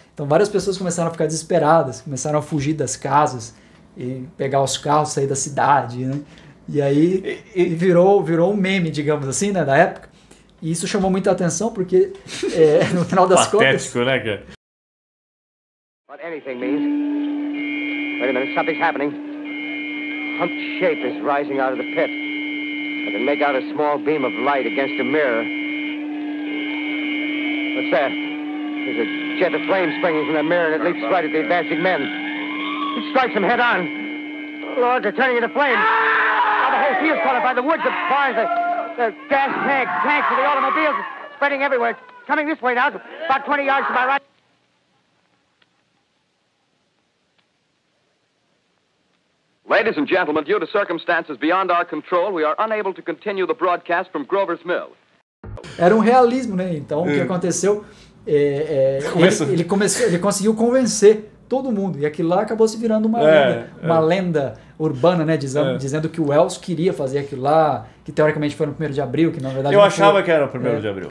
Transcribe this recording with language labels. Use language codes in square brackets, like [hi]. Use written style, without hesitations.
[pt] Então várias pessoas começaram a ficar desesperadas, começaram a fugir das casas, e pegar os carros, sair da cidade, né? E aí virou um meme, digamos assim, né, da época. E isso chamou muita atenção porque no final das patético, contas... Patético, né, cara? [en] What anything means... Wait a minute, something's happening. Humped shape is rising out of the pit. I can make out a small beam of light against a mirror. What's that? There's a jet of flame springing from the mirror and it leaps right at the advancing men. It strikes them head on. Lord, they're turning into flames. Now the whole field's caught up by the woods, the barns, the gas tanks, and the automobiles spreading everywhere. It's coming this way now, about 20 yards to my right. Ladies and gentlemen, due to circumstances beyond our control, we are unable to continue the broadcast from Grover's Mill. [pt] Era um realismo, né? Então, o que aconteceu, ele conseguiu convencer todo mundo. E aquilo lá acabou se virando uma lenda urbana, né? Dizendo que o Wells queria fazer aquilo lá, que teoricamente foi no 1º de abril, que na verdade... Eu achava que era o 1º de abril.